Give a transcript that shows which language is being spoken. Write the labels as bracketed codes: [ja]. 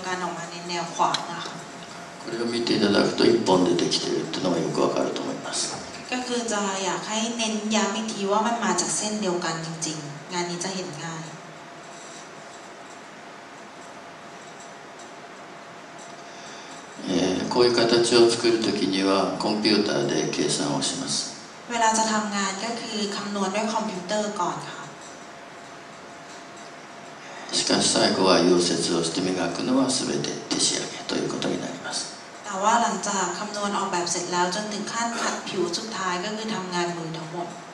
[ja] これを見ていただくと一本でできているというのがよくわかると思います。 [th] ก็คือจะอยากให้เน้นย้ำอีกทีว่ามันมาจากเส้นเดียวกันจริงๆงานนี้จะเห็นง่าย [ja] こういう形を作るときにはコンピューターで計算をします。 [th] เวลาจะทำงานก็คือคำนวณด้วยคอมพิวเตอร์ก่อนค่ะ [ja] しかし最後は溶接をして磨くのは全て手仕上げということになります。 [th] แต่ว่าหลังจากคำนวณออกแบบเสร็จแล้วจนถึงขั้นขัดผิวสุดท้ายก็คือทำงานมือทั้งหมด